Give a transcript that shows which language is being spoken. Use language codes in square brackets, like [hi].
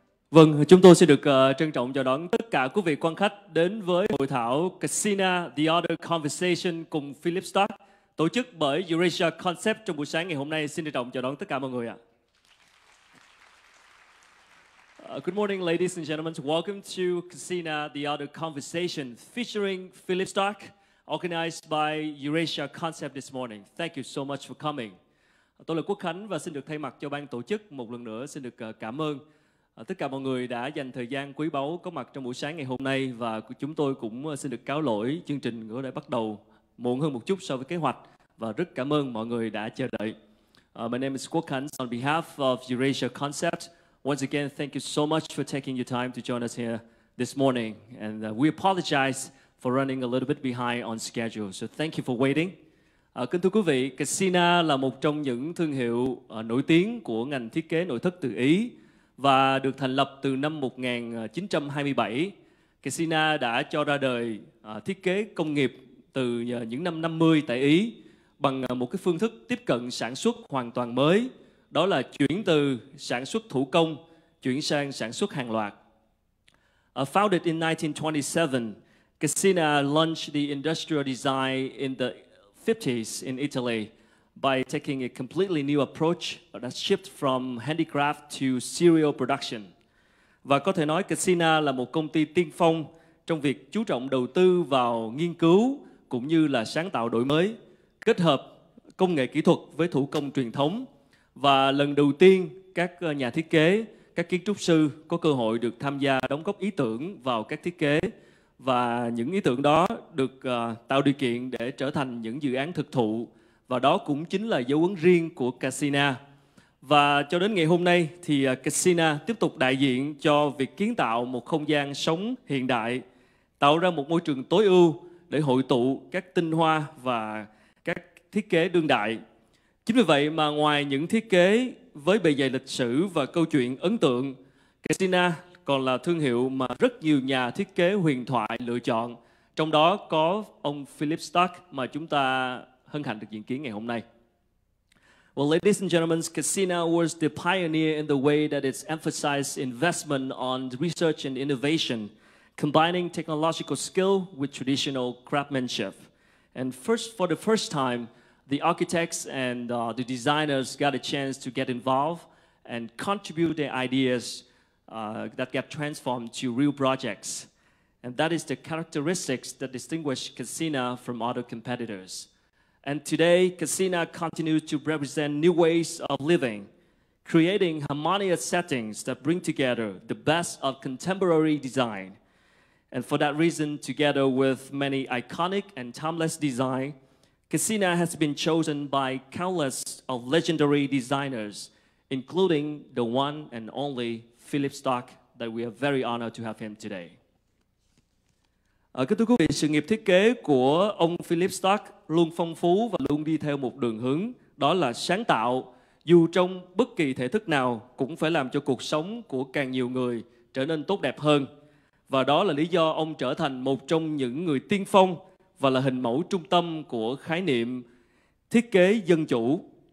[vi] Vâng, chúng tôi sẽ được trân trọng chào đón tất cả quý vị quan khách đến với hội thảo Casino The Other Conversation cùng Philippe Starck tổ chức bởi Eurasia Concept trong buổi sáng ngày hôm nay. Xin trân trọng chào đón tất cả mọi người ạ. [en] Good morning, ladies and gentlemen. Welcome to Casino The Other Conversation featuring Philippe Starck, organized by Eurasia Concept this morning. Thank you so much for coming. [vi] Tôi là Quốc Khánh và xin được thay mặt cho ban tổ chức một lần nữa xin được cảm ơn tất cả mọi người đã dành thời gian quý báu có mặt trong buổi sáng ngày hôm nay, và chúng tôi cũng xin được cáo lỗi chương trình có thể bắt đầu muộn hơn một chút so với kế hoạch, và rất cảm ơn mọi người đã chờ đợi. [en] My name is Quốc Khánh. On behalf of Eurasia Concept, once again, thank you so much for taking your time to join us here this morning. And we apologize for running a little bit behind on schedule. So thank you for waiting. [vi] Kính thưa quý vị, Casina là một trong những thương hiệu nổi tiếng của ngành thiết kế nội thất từ Ý, và được thành lập từ năm 1927. Casina đã cho ra đời thiết kế công nghiệp từ những năm 50 tại Ý bằng một cái phương thức tiếp cận sản xuất hoàn toàn mới, đó là chuyển từ sản xuất thủ công chuyển sang sản xuất hàng loạt. [en] Founded in 1927, Casina launched the industrial design in the 50s in Italy by taking a completely new approach that shifted from handicraft to serial production. [vi] Và có thể nói Casina là một công ty tiên phong trong việc chú trọng đầu tư vào nghiên cứu cũng như là sáng tạo đổi mới, kết hợp công nghệ kỹ thuật với thủ công truyền thống. Và lần đầu tiên các nhà thiết kế, các kiến trúc sư có cơ hội được tham gia đóng góp ý tưởng vào các thiết kế. Và những ý tưởng đó được tạo điều kiện để trở thành những dự án thực thụ. Và đó cũng chính là dấu ấn riêng của Casina. Và cho đến ngày hôm nay thì Casina tiếp tục đại diện cho việc kiến tạo một không gian sống hiện đại, tạo ra một môi trường tối ưu để hội tụ các tinh hoa và các thiết kế đương đại. Chính vì vậy mà ngoài những thiết kế với bề dày lịch sử và câu chuyện ấn tượng, Casina còn là thương hiệu mà rất nhiều nhà thiết kế huyền thoại lựa chọn, trong đó có ông Philippe Starck mà chúng ta hân hạnh được diện kiến ngày hôm nay. [en] Well, ladies and gentlemen, Casina was the pioneer in the way that it's emphasized investment on research and innovation, combining technological skill with traditional craftsmanship. And for the first time, the architects and the designers got a chance to get involved and contribute their ideas that get transformed to real projects. And that is the characteristics that distinguish Casina from other competitors. And today, Casina continues to represent new ways of living, creating harmonious settings that bring together the best of contemporary design. And for that reason, together with many iconic and timeless design, Casina has been chosen by countless of legendary designers, including the one and only Philippe Starck, that we are very honored to have him today. [vi] Kính thưa quý vị, sự nghiệp thiết kế của ông Philippe Starck luôn phong phú và luôn đi theo một đường hướng, đó là sáng tạo, dù trong bất kỳ thể thức nào cũng phải làm cho cuộc sống của càng nhiều người trở nên tốt đẹp hơn. Và đó là lý do ông trở thành một trong những người tiên phong và là hình mẫu trung tâm của khái niệm thiết kế dân chủ.